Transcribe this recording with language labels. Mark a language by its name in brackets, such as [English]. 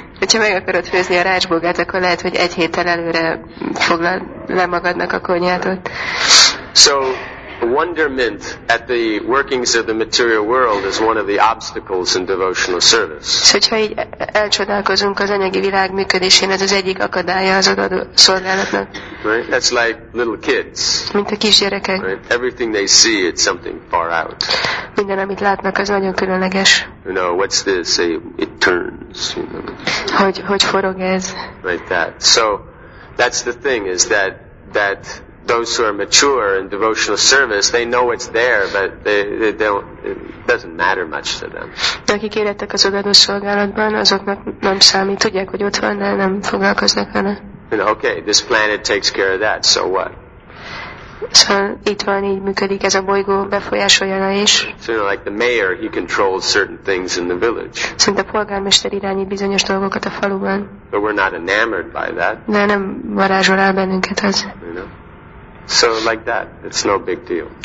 [Hungarian] Hogyha meg akarod főzni a rácsbogát, akkor lehet, hogy egy héttel előre foglal le magadnak a konyhátot. [English] So, wonderment at the workings of the material world is one of the obstacles in devotional service. [Hungarian] Hogyha így elcsodálkozunk az anyagi világ működésén, ez az egyik akadálya az adó szolgálatnak. [English] Right? That's like little kids. [Hungarian] Mint a kisgyerekek. [English] Right? Everything they see, it's something far out. [Hungarian] Minden, amit látnak, az nagyon különleges. [English] You know, what's this? It turns. You know. [Hungarian] Hogy forog ez? [English] Right, that. So, that's the thing, is that those who are mature in devotional service, they know it's there, but it doesn't matter much to them. [Hungarian] Akik érettek az odaadó szolgálatban, azoknak nem számít. Tudják, hogy ott van, de nem foglalkoznak vele. [English] Okay, this planet takes care of that, so what? [Hungarian] Szóval itt van, így működik ez a bolygó, befolyásolja le is. [English] So, you know, like the mayor, he controls certain things in the village. [Hungarian] Szóval a polgármester irányít bizonyos dolgokat a faluban. [English] But we're not enamored by that. [Hungarian] De nem varázsol el bennünket az. [English] You know? So like that, it's no big deal.